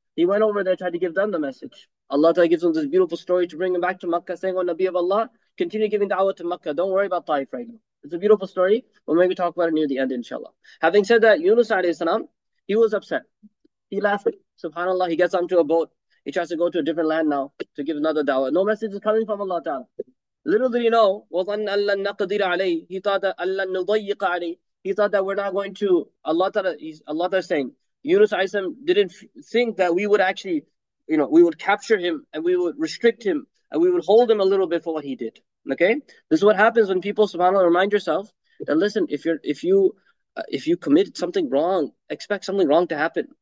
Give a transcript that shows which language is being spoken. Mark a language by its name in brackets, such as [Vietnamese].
[English] He went over there, tried to give them the message. Allah Ta'ala gives him this beautiful story to bring him back to Mecca, saying, "Oh, Nabi of Allah, continue giving da'wah to Mecca. Don't worry about Taif right now." It's a beautiful story. We'll maybe talk about it near the end, inshallah. Having said that, Yunus alayhi salam, he was upset. He left. SubhanAllah, he gets onto a boat. He tries to go to a different land now to give another da'wah. No message is coming from Allah Ta'ala. Little did he know, [Arabic] وَظَنَّ أَن لَّن نَّقْدِرَ عَلَيْهِ. [English] He thought that [Arabic] أَن لَّن نُضَيِّقَ عَلَيْهِ. [English] He thought that we're not going to, Allah Ta'ala saying, Yunus alayhi salam didn't think that we would actually, you know, we would capture him and we would restrict him and we would hold him a little bit for what he did. Okay? This is what happens when people, subhanAllah, remind yourself that listen, if you commit something wrong, expect something wrong to happen.